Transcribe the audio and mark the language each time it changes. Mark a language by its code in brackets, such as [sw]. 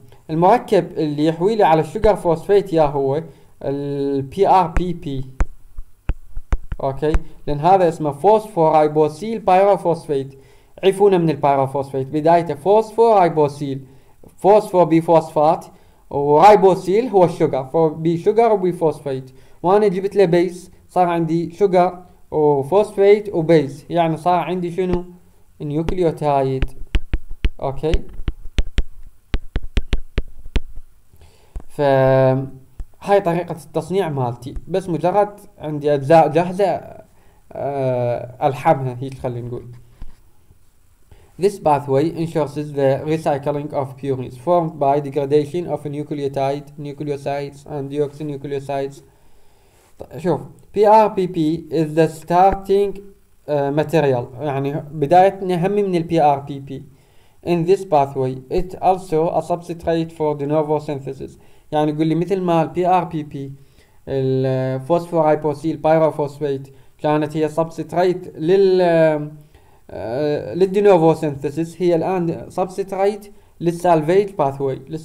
[ar] المركب اللي يحوي لي على الشجر فوسفيت يا هو البي آر بي بي، أوكي، لأن هذا اسمه فوسفورايبوسيل بايروفوسفيت، عفونا من البايروفوسفيت، بدايته فوسفورايبوسيل، فوسفور بي فوسفات، ورايبوسيل هو الشجر، فبي شجر وبي فوسفيت، وانا جبت له بيس، صار عندي شجر وفوسفيت وبيس، يعني صار عندي شنو؟ نيوكليوتايد، اوكي. فهاي طريقة التصنيع مالتي، بس مجرد عندي اجزاء جاهزة الحمها هيك، خلينا نقول. [en] This pathway ensures the recycling of purines formed by degradation of nucleotide, nucleosides and deoxynucleosides. [ar] شوف [en] PRPP is the starting material، [ar] يعني بدايتنا هم من الـ PRPP. [en] In this pathway it also a substrate for de novo synthesis، [ar] يعني يقول لي مثل ما الـ PRPP الـ phosphoribosyl pyrophosphate كانت هي substrate لل للدينوفو سينثيسيس، هي الان سبستريت للسالفيج باثوي.